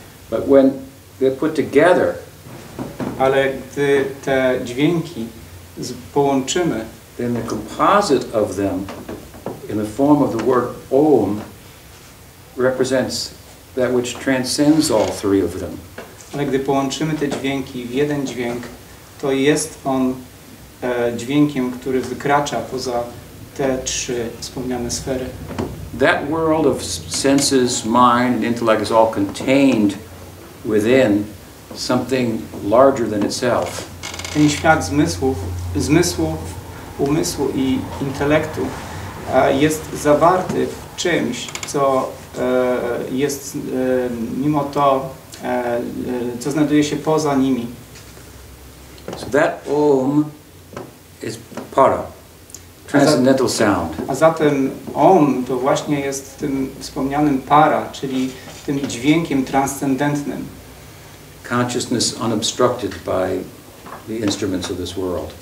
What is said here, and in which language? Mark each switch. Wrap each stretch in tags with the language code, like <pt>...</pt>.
<en>But when they're put together,</en> <pl>ale gdy te dźwięki połączymy,</pl> <en>then the composite of them in the form of the word om represents that which transcends all three of them.</en> <pl>Ale gdy połączymy te dźwięki w jeden dźwięk, to jest on dźwiękiem, który wykracza poza te trzy wspomniane sfery.</pl> <en>That world of senses, mind and intellect is all contained within something larger than itself.</en> <pl>Ten świat zmysłów, umysłu i intelektu jest zawarty w czymś, co jest mimo to, co znajduje się poza nimi.</pl> <en>So that Om is para, transcendental sound.</en> <pl>A zatem Om to właśnie jest tym wspomnianym para, czyli tym dźwiękiem transcendentnym.</pl> <en>Consciousness unobstructed by the instruments of this world.</en>